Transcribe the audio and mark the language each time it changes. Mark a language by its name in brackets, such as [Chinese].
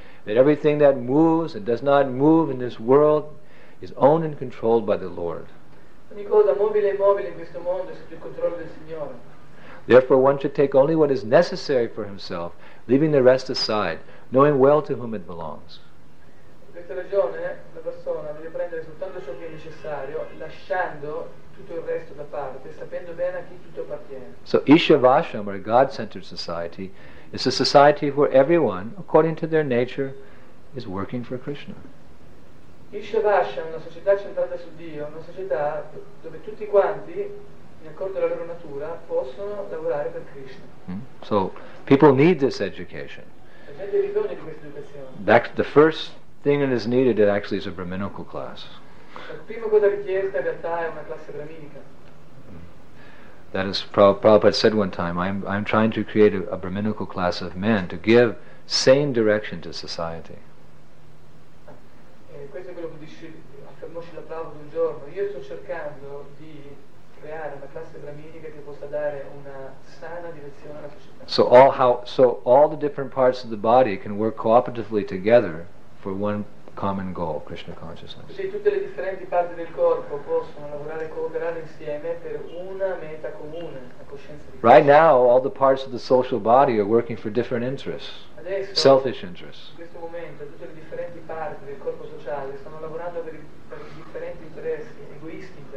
[English] That everything that moves and does not move in this world is owned and controlled by the Lord. [Italian] Ogni cosa mobile e immobile in questo mondo è sotto il controllo del Signore. [English] Therefore one should take only what is necessary for himself, leaving the rest aside, knowing well to whom it belongs. [Italian] Per questa ragione la persona deve prendere soltanto ciò che è necessario, lasciando tutto il resto da parte, sapendo bene a chi tutto appartiene. [English] So Ishavasham, or a God-centered society, is a society where everyone, according to their nature, is working for Krishna. [Italian] Ishavasham, una società centrata su Dio, una società dove tutti quanti, in accordo alla loro natura, possono lavorare per Krishna. [English] So people need this education. [Italian] La gente ha bisogno di questa educazione. [English] That's the first thing that is needed. It actually is a brahminical class. [Italian] La prima cosa richiesta in realtà è una classe brahminica. [English] That is, Prabhupada said one time, I'm trying to create a brahminical class of men to give sane direction to society. [Italian] Questo è quello che dice, affermò Srila Prabhupada un giorno. Io sto cercando di creare una classe brahminica che possa dare una sana direzione alla società. [English] So all the different parts of the body can work cooperatively together for one common goal, Krishna consciousness. [Italian] Così tutte le differenti parti del corpo possono lavorare e cooperare insieme per una meta comune, la coscienza di. [English] Right now, all the parts of the social body are working for different interests. [Italian] Adesso, [English] selfish interests. [Italian] In questo momento, tutte le differenti parti del corpo sociale stanno lavorando per differenti interessi egoistici.